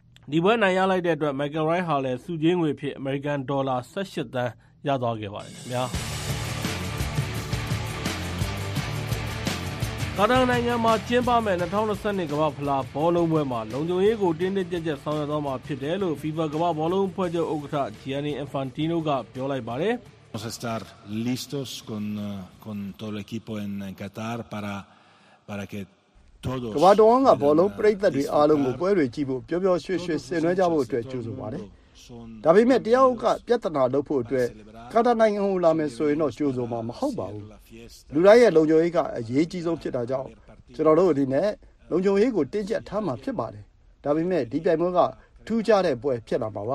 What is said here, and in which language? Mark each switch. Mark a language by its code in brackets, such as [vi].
[my] ဒီပွဲနိုင်ရလိုက်တဲ့အတွက် McIlroy ဟာလည်းစုချင်းငွေဖြစ် American Dollar 18သန်းရသွားခဲ့ပါတယ်ခင်ဗျာကာတာနိုင်ငံမှာကျင်းပမဲ့2022ကမ္ဘာဖလားဘောလုံးပွဲမှာလုံခြုံရေးကိုတင်းတင်းကြပ်ကြပ်ဆောင်ရွက်သွားမှာဖြစ်တယ်လို့ FIFA ကမ္ဘာဘောလုံးအဖွဲ့ချုပ်ဥက္ကဋ္ဌ Gianni Infantino ကပြောလိုက်ပါတယ် [es] Vamos a estar listos con todo el equipo en Qatar para que todos [my] ကမ္ဘာတော်ကဘောလုံးပရိသတ်တွေအားလုံးကိုပွဲတွေကြည့်ဖို့ပျော်ပျော်ရွှင်ရွှင်ဆင်နွှဲကြဖို့အတွက်ကြိုးစားပါတယ်ဒါပေမဲ့တရားဥပဒေပြဿနာလုပ်ဖို့အတွက်ကာတာနိုင်ငံကိုလာမယ်ဆိုရင်တော့ကြိုးစားမှာမဟုတ်ပါဘူးလူတိုင်းရဲ့လုံခြုံရေးကအရေးကြီးဆုံးဖြစ်တာကြောင့်ကျွန်တော်တို့အနေနဲ့ လုံခြုံရေးကိုတင်းကျပ်ထားမှာဖြစ်ပါတယ်ဒါပေမဲ့ဒီပြိုင်ပွဲကထူးခြားတဲ့ပွဲဖြစ်လာမှာပ